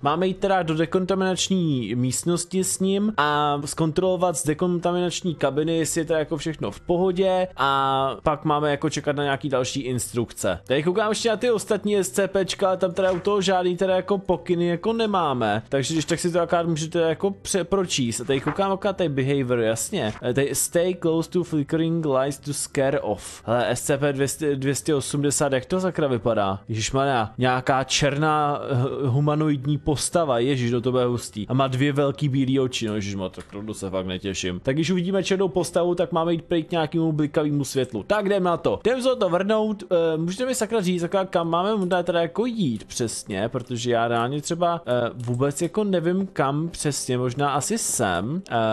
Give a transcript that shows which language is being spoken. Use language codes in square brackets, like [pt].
[cs] Máme jít teda do dekontaminační místnosti s ním a zkontrolovat z dekontaminační kabiny, jestli je to jako všechno v pohodě a pak máme jako čekat na nějaký další instrukce. Tady koukám ještě na ty ostatní SCPčka, ale tam teda u toho žádný teda jako pokyny jako nemáme. Takže když tak si to akorát můžete jako pročíst. A tady koukám akorát tady behavior, jasně. Tady [en] stay close to flickering lights to scare off. [cs] Hele, SCP-280, jak to sakra vypadá? Ježišmarja, nějaká černá humanoidní postava, ježiš, do toho bude hustý. A má dvě velký bílý oči, no ježiš, tak to se fakt netěším. Tak když uvidíme černou postavu, tak máme jít prý k nějakému blikavému světlu. Tak jdeme na to. Jdeme se to vrnout. Můžete mi sakra říct, sakra, kam máme možná teda jako jít přesně, protože já reálně třeba vůbec jako nevím kam přesně, možná asi sem.